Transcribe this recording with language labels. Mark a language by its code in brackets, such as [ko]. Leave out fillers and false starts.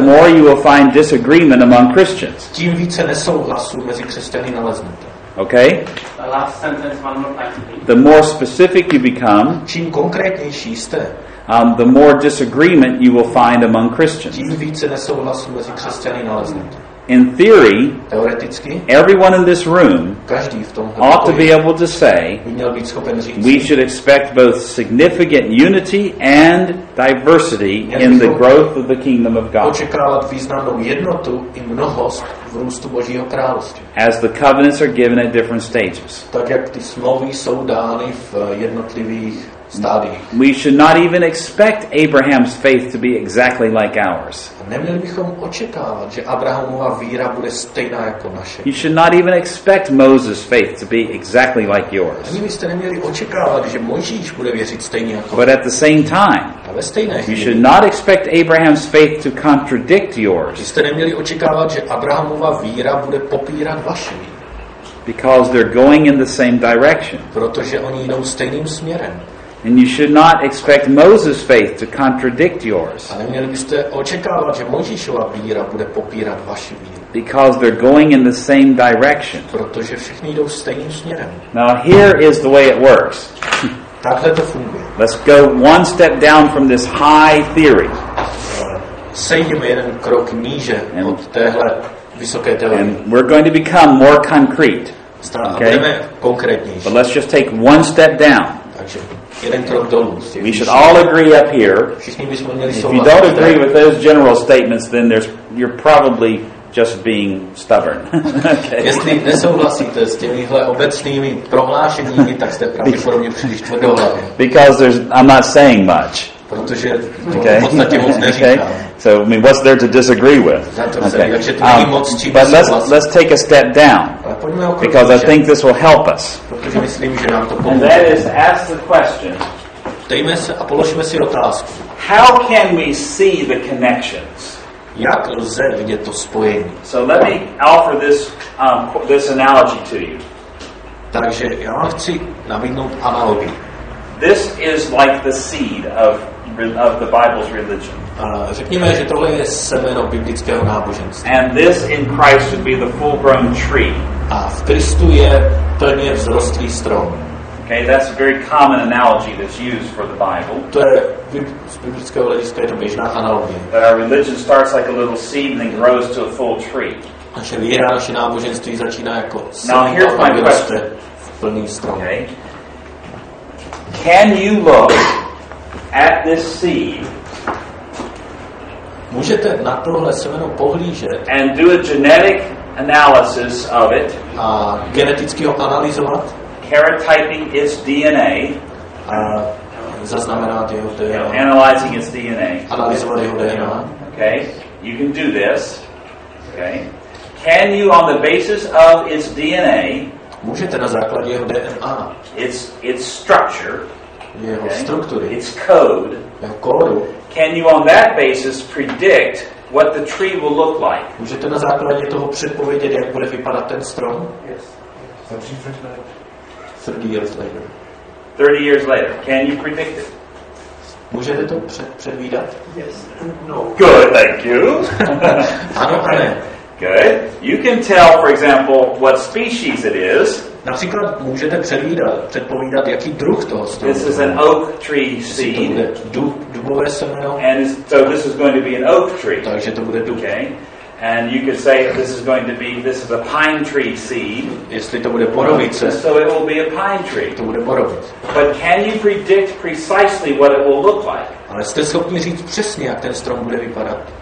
[en] the more you will find disagreement among Christians. [cs] Tím více nesouhlasů mezi křesťany naleznete. [en] Okay? The last sentence, one more time. The more specific you become, [cs] čím konkrétnější jste, [en] the more disagreement you will find among Christians. [cs] Tím více nesouhlasů mezi křesťany naleznete. [en] In theory, [cs] teoreticky, [en] everyone in this room [cs] každý v tom [en] ought to be able to say [cs] by měl být schopen říct, [en] we should expect both significant unity and diversity in the growth of the kingdom of God. [cs] Očekávat významnou jednotu i mnohost v růstu Božího království. [en] As the covenants are given at different stages. [cs] Tak jak ty smlouvy jsou dány v jednotlivých. [en] We should not even expect Abraham's faith to be exactly like ours. [cs] Neměli bychom očekávat, že Abrahamova víra bude stejná jako naše. [en] You should not even expect Moses' faith to be exactly like yours. [cs] Ani byste neměli očekávat, že Mojžíš bude věřit stejně jako vy. [en] But at the same time, [cs] ve stejné chvíli, [en] you should not expect Abraham's faith to contradict yours. [cs] Byste neměli očekávat, že Abrahamova víra bude popírat vaši. [en] Because they're going in the same direction. [cs] Protože oni jdou stejným směrem. [en] And you should not expect Moses' faith to contradict yours. [cs] A neměli byste očekávat, že Mojžíšova víra bude popírat vaši víru. [en] Because they're going in the same direction. [cs] Protože všichni jdou stejným směrem. [en] Now here is the way it works. [cs] Takhle to funguje. [en] Let's go one step down from this high theory. [cs] Sejdeme jeden krok níže od téhle vysoké teorie. [en] And we're going to become more concrete. [cs] Okay? Budeme konkrétnější. [en] But let's just take one step down. [cs] Takže jeden krok dolů. [en] We should all agree up here. If you don't agree with those general statements, then you're probably just being stubborn. Okay. [cs] Jestli nesouhlasíte s těmihle obecnými prohlášeními, tak jste pravděpodobně příliš tvrdohlavý. [en] Because I'm not saying much. [cs] Protože okay. V podstatě moc neříkám. Okay. [en] So I mean, what's there to disagree with? Okay. But let's take a step down. Because I think this will help us. And that is to ask the question. [cs] Dejme se a položme si otázku. [en] How can we see the connections? [cs] Jak lze vidět to spojení? [en] So let me offer this this analogy to you. [cs] Takže já vám chci nabídnout analogii. [en] This is like the seed of the Bible's religion. [cs] Řekněme, že tohle je semeno biblického náboženství. [en] And this in Christ would be the full-grown tree. [cs] A v Kristu je plně vzrostlý strom. [en] Okay, that's a very common analogy that's used for the Bible. [cs] To je z biblického hlediska to běžná analogie. [en] But our religion starts like a little seed and then grows to a full tree. [cs] Naše víra, naše náboženství začíná jako semeno. [en] Now here's my question. [cs] Plný strom. [en] Okay. Can you look at this seed? [cs] Můžete na tohle semeno pohlížet? [en] And do a genetic analysis of it. [cs] A geneticky ho analyzovat? [en] Karyotyping its DNA. [cs] Zaznamenat jeho DNA. [en] You know, analyzing its DNA. [cs] Analyzovat jeho DNA. [en] Okay. You can do this. Okay. Can you, on the basis of its DNA? [cs] Můžete na základě jeho DNA. [en] Its structure. [cs] Jeho struktury. [en] Its code. [cs] Jeho kódu. [en] Can you on that basis predict what the tree will look like? [cs] Můžete na základě toho předpovědět, jak bude vypadat ten strom? [en] Yes. 30 years later. 30 years later. Can you predict it? [cs] Můžete to předvídat? [en] Yes. No. Good, thank you. [cs] Ano, ano. [en] Good. You can tell, for example, what species it is. [cs] Například můžete předpovídat, jaký druh toho stromu. [en] This is an oak tree seed. [cs] Dubové semeno. [en] And so this is going to be an oak tree. [cs] Takže to bude dub. [en] Okay. And you could say this is going to be this is a pine tree seed. [cs] Jestli to bude borovice. [en] So it will be a pine tree. [cs] To bude borovice. [en] But can you predict precisely what it will look like? [cs] Ale jste schopni říct přesně, jak ten strom bude vypadat?